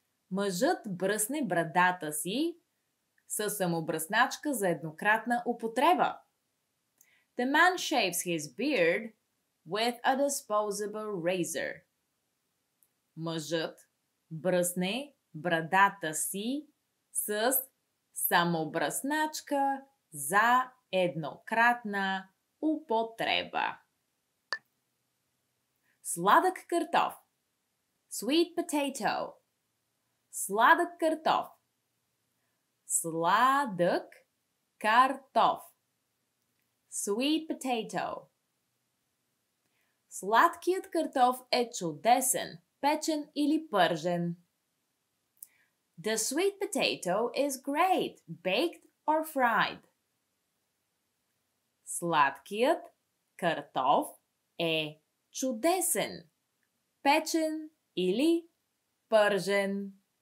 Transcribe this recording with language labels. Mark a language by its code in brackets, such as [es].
[bg] Мъжът бръсне брадата си със самобръсначка за еднократна употреба. [en] The man shaves his beard with a disposable razor. [bg] Мъжът бръсне брадата си с самобръсначка за еднократна употреба. Сладък картоф. [en] Sweet potato. [bg] Сладък картоф. Сладък картоф. [en] Sweet potato. [bg] Сладкият картоф е чудесен, печен или пържен. [en] The sweet potato is great, baked or fried. [bg] Сладкият картоф е чудесен, печен или пържен.